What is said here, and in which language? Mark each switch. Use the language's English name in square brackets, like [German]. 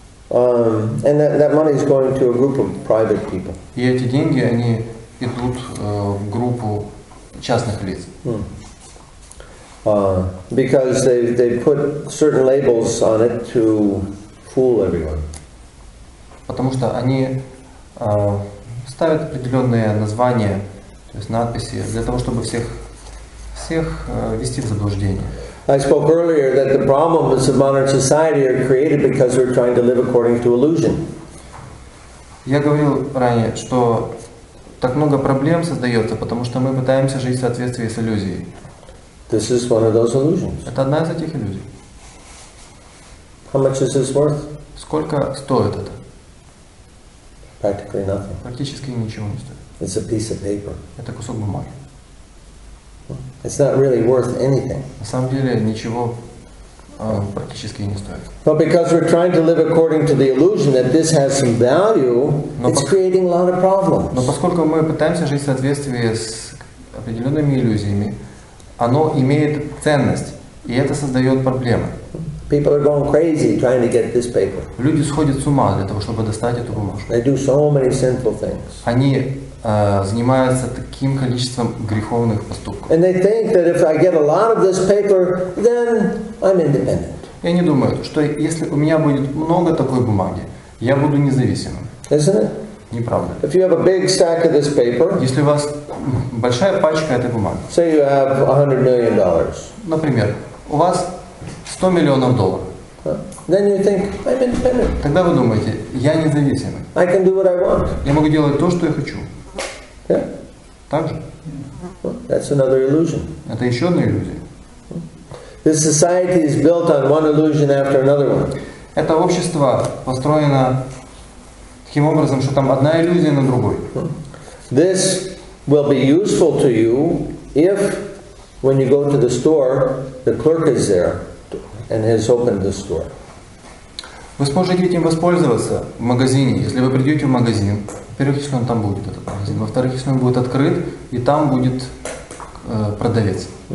[English] And that money is going to a group of private people. [Russian] И эти деньги они идут в группу частных лиц. [English] Because they put certain labels on it to fool everyone. [Russian] Потому что они ставят определенные названия. То есть надписи для того, чтобы всех ввести в заблуждение. [English] I spoke earlier that the problems of modern society are created because we're trying to live according to illusion. [Russian] Я говорил ранее, что так много проблем создается, потому что мы пытаемся жить в соответствии с иллюзией. [English] This is one of those illusions. [Russian] Это одна из этих иллюзий. [English] How much is this worth? [Russian] Сколько стоит это? [English] Practically nothing. [Russian] Практически ничего не стоит. [English] It's a piece of paper. [Russian] Это кусок бумаги. [English] It's not really worth anything. [Russian] На самом деле ничего практически не стоит. [English] But because we're trying to live according to the illusion that this has some value, it's creating a lot of problems. [Russian] Но поскольку мы пытаемся жить в соответствии с определенными иллюзиями, оно имеет ценность, и это создает проблемы. [English] People are going crazy trying to get this paper. [Russian] Люди сходят с ума для того, чтобы достать эту бумажку. [English] They do so many sinful things. [Russian] Они занимаются таким количеством греховных поступков. [English] And they think that if I get a lot of this paper, then I'm independent. [Russian] И они думают, что если у меня будет много такой бумаги, я буду независимым. [English] Isn't it? [Russian] Неправда. [English] If you have a big stack of this paper, [Russian] если у вас большая пачка этой бумаги, [English] say you have $100 million. [Russian] Например, у вас 100 миллионов долларов. [English] Then you think, I'm independent. [Russian] Тогда вы думаете, я независимый. [English] I can do what I want. [Russian] Я могу делать то, что я хочу. [English] Yeah. [Russian] Так же? [English] Well, that's another illusion. [Russian] Это еще одна иллюзия. [English] This society is built on one illusion after another one. [Russian] Это общество построено таким образом, что там одна иллюзия на другой. [English] This will be useful to you if, when you go to the store, the clerk is there and has opened the store. [Russian] Вы сможете этим воспользоваться в магазине, если вы придете в магазин. Во-первых, если он там будет, этот магазин. Во-вторых, если он будет открыт, и там будет продавец.